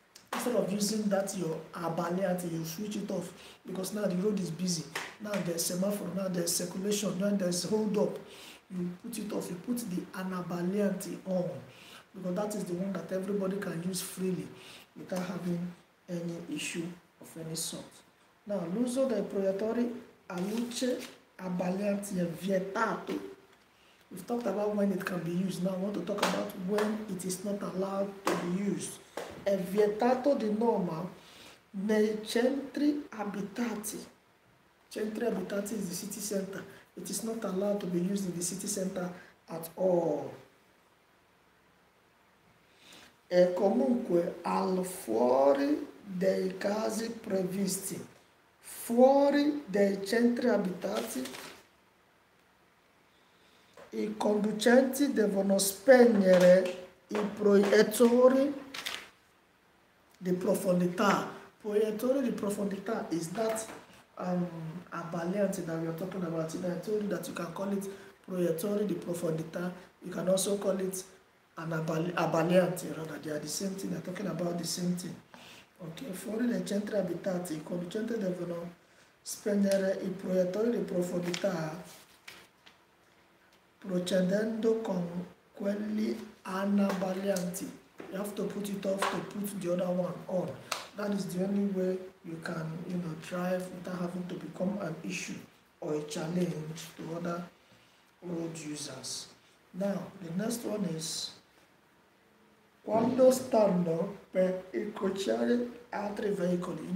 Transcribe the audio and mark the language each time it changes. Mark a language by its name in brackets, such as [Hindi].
[English] Instead of using that your abbagliante, you switch it off, because now the road is busy. Now there's semaphore, now there's circulation, now there's hold up. You put it off, you put the anabbagliante on, because that is the one that everybody can use freely without having any issue of any sort. [Italian] Now, l'uso dei proiettori a luce abbagliante è vietato. [English] We've talked about when it can be used. Now I want to talk about when it is not allowed to be used. [Italian] È vietato di norma nei centri abitati. [English] Chentri Habitat is the city center. It is not allowed to be used in the city center at all. [Italian] E comunque al fuori dei casi previsti, fuori dei centri abitati, i conducenti devono spegnere i proiettori di profondità. Proiettori di profondità [English] is that a balliant that we are talking about. I told you that you can call it [Italian] proiettori di profondità. [English] You can also call it an abaliante, rather. They are the same thing. They are talking about the same thing. [Italian] Okay, fuori dei centri abitati, i conducenti devono spegnere i proiettori di profondità procedendo con quelli anabalianti. [English] You have to put it off to put the other one on. That is the only way you can, you know, drive without having to become an issue or a challenge to other road users. Now, the next one is, [Italian] quando stanno per incrociare altri veicoli.